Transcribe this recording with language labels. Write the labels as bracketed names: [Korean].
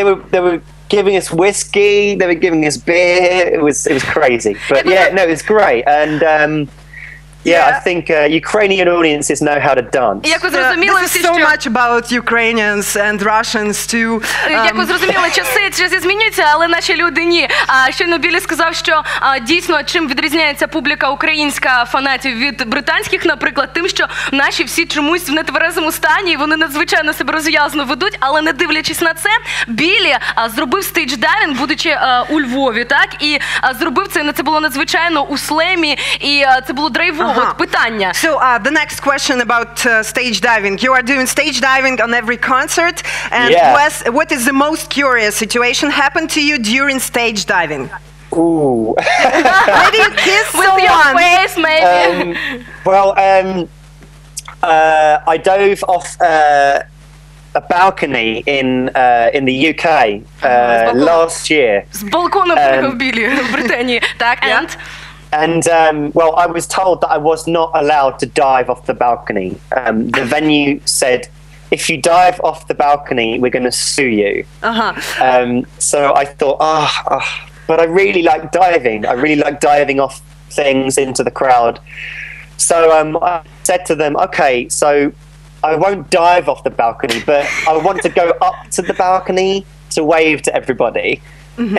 [English] they were giving us whiskey, they were giving us beer, it was crazy. But yeah, no, it's great. And yeah, I think Ukrainian audiences know how to dance. [Ukrainian] Як ви зрозуміли, [English] this is so much about Ukrainians and Russians too. [Ukrainian] Як ви зрозуміли, часи змінюються, але наші люди ні. Щойно Білі сказав, що дійсно, чим відрізняється публіка українська фанатів від британських, наприклад, тим, що наші всі чомусь в нетверезому стані, і вони надзвичайно себе розв'язно ведуть, але не дивлячись на це, Білі зробив стейдж-дайвінг, будучи у Львові, так? І зробив це, і це було надзвичайно у слемі, і це було драйв. [English] So the next question about stage diving. You are doing stage diving on every concert. And yeah. What is the most curious situation happened to you during stage diving? Ooh. Maybe you kiss with someone. Your face, maybe. I dove off a balcony in the UK last year. [Ukrainian] З балкону в Білі, в Британії. Так, and? [English] And I was told that I was not allowed to dive off the balcony. The venue said, if you dive off the balcony, we're going to sue you. Uh-huh. So I thought, but I really like diving. I really like diving off things into the crowd. So I said to them, okay, so I won't dive off the balcony, but I want to go up to the balcony to wave to everybody. Mm-hmm.